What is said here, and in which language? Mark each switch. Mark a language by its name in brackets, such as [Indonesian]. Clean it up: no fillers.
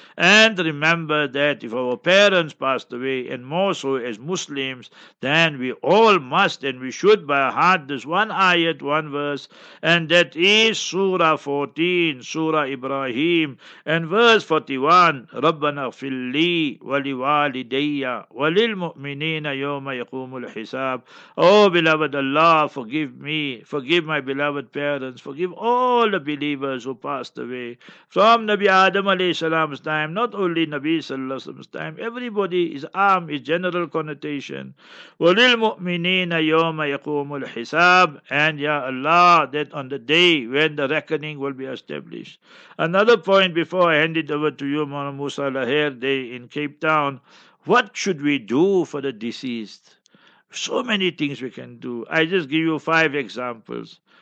[English] And remember that if our parents passed away, and more so as Muslims, then we all must and we should by heart this one ayat, one verse, and that is Surah 14, Surah Ibrahim, and verse 41. [Arabic] Rabbana ighfir لي ولوالدي وللمؤمنين يوم يقوم الحساب. [English] Oh beloved Allah, forgive me, forgive my beloved parents, forgive all the believers who passed away from Nabi Adam alayhi salam's time, not only Nabi sallallahu alayhi wasallam's time, everybody is arm is general connotation. [Arabic] وللمؤمنين يوم يقوم الحساب. [English] And ya Allah, that on the day when the reckoning will be established. Another point before I hand it over to you, Mona Musa Lahir Day in Cape Town, what should we do for the deceased? So many things we can do. I just give you five examples.